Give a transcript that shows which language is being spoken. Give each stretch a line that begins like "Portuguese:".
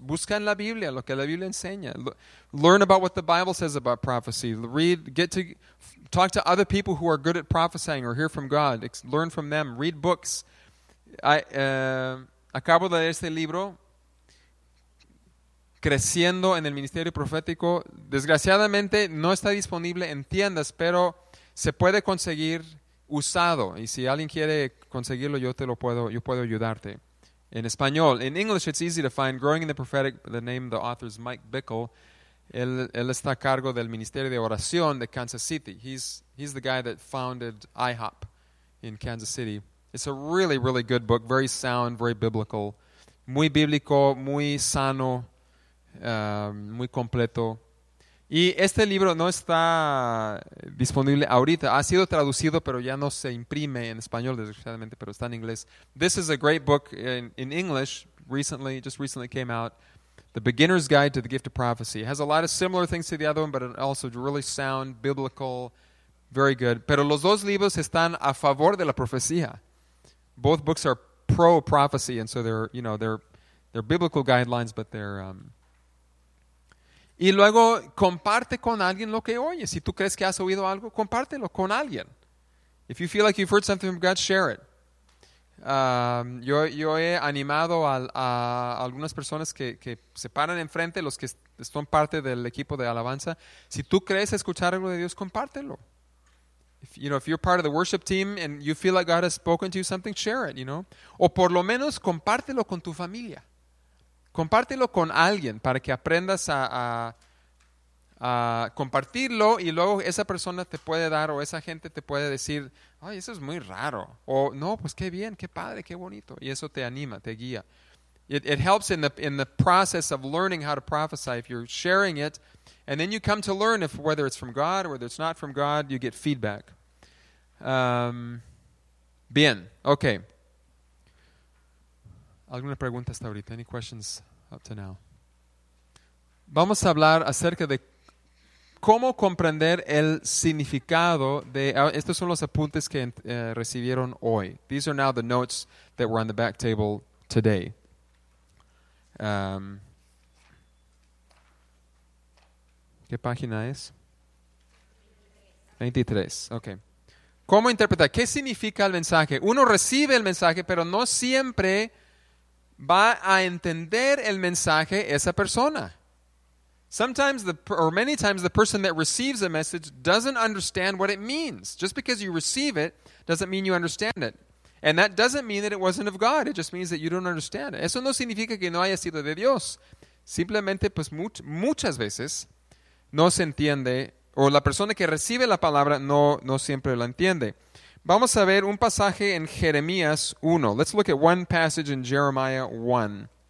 Spanish: Busca en la Biblia lo que la Biblia enseña.
English: Learn about what the Bible says about prophecy. Read, talk to other people who are good at prophesying or hear from God. Learn from them. Read books.
Spanish: Acabo de leer este libro, Creciendo en el Ministerio Profético. Desgraciadamente no está disponible en tiendas, pero se puede conseguir usado. Y si alguien quiere conseguirlo, yo puedo ayudarte. En español.
English: In English, it's easy to find. Growing in the Prophetic, the name of the author is Mike Bickle.
Spanish: Él está a cargo del Ministerio de Oración de Kansas City.
English: He's the guy that founded IHOP in Kansas City. It's a really, really good book. Very sound, very biblical.
Spanish: Muy bíblico, muy sano, muy completo. Y este libro no está disponible ahorita. Ha sido traducido, pero ya no se imprime en español, desgraciadamente, pero está en inglés.
English: This is a great book in English. Just recently came out. The Beginner's Guide to the Gift of Prophecy. It has a lot of similar things to the other one, but it also really sound, biblical, very good.
Spanish: Pero los dos libros están a favor de la profecía.
English: Both books are pro-prophecy, and so they're biblical guidelines, but they're...
Spanish: Y luego, comparte con alguien lo que oyes. Si tú crees que has oído algo, compártelo con alguien.
English: If you feel like you've heard something from God, share it.
Spanish: Yo he animado a algunas personas que se paran enfrente, los que son parte del equipo de alabanza. Si tú crees escuchar algo de Dios, compártelo.
English: If you're part of the worship team and you feel like God has spoken to you something, share it, you know.
Spanish: O por lo menos, compártelo con tu familia. Compártelo con alguien para que aprendas a compartirlo y luego esa persona te puede dar o esa gente te puede decir, ay, eso es muy raro. O, no, pues qué bien, qué padre, qué bonito. Y eso te anima, te guía.
English: It helps in the process of learning how to prophesy if you're sharing it. And then you come to learn if whether it's from God or whether it's not from God, you get feedback.
Spanish: Bien, okay. ¿Alguna pregunta hasta ahorita?
English: Any questions up to now?
Spanish: Vamos a hablar acerca de cómo comprender el significado de... Estos son los apuntes que recibieron hoy.
English: These are now the notes that were on the back table today.
Spanish: ¿Qué página es? 23, okay. ¿Cómo interpretar? ¿Qué significa el mensaje? Uno recibe el mensaje, pero no siempre... va a entender el mensaje esa persona.
English: Many times the person that receives a message doesn't understand what it means. Just because you receive it doesn't mean you understand it. And that doesn't mean that it wasn't of God. It just means that you don't understand it.
Spanish: Eso no significa que no haya sido de Dios. Simplemente, pues, muchas veces no se entiende, o la persona que recibe la palabra no siempre la entiende. Vamos a ver un pasaje en Jeremías 1.
English: Let's look at one passage in Jeremiah 1.